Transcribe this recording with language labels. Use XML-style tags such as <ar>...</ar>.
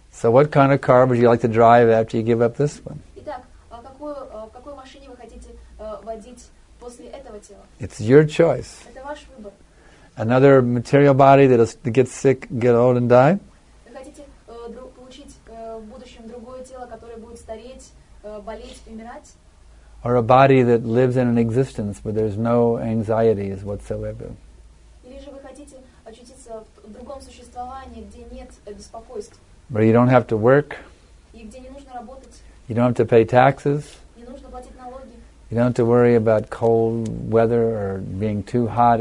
<en>So what kind of car would you like to drive after you give up this one?</en> <ru>Итак, какой машине вы хотите водить после этого тела?</ru> <en>It's your choice.</en> <ru>Это ваш выбор.</ru> <en>Another material body that is to get sick, get old and die?</en> <ru>Вы хотите получить в будущем другое тело, которое будет стареть, болеть, умирать?</ru> <en>Or a body that lives in an existence where there's no anxieties whatsoever?</en> <ru>Или же вы хотите очутиться в другом существовании, где нет беспокойств?</ru> <en>Where you don't have to work?</en> <ru>И где не нужно работать?</ru> <en>You don't have to pay taxes? You don't have to worry about cold weather or being too hot.</en>